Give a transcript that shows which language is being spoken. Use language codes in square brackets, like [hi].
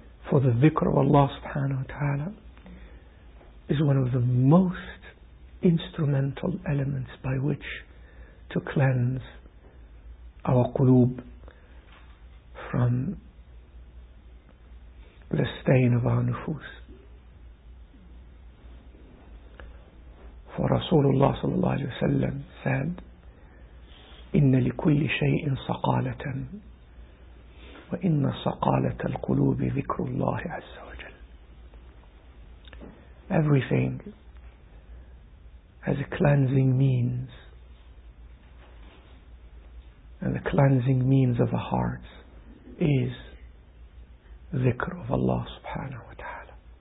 [en] For the dhikr of Allah subhanahu wa ta'ala is one of the most instrumental elements by which to cleanse our qulub from the stain of our nufus. For Rasulullah sallallahu alayhi wa sallam said, [ar] إِنَّ لِكُلِّ شَيْءٍ سَقَالَةً وَإِنَّ سَقَالَةَ الْقُلُوبِ ذِكْرُ اللَّهِ عَزَّ وَجَلَّ. [en] Everything has a cleansing means, and the cleansing means of the heart is dhikr of Allah subhanahu wa ta'ala.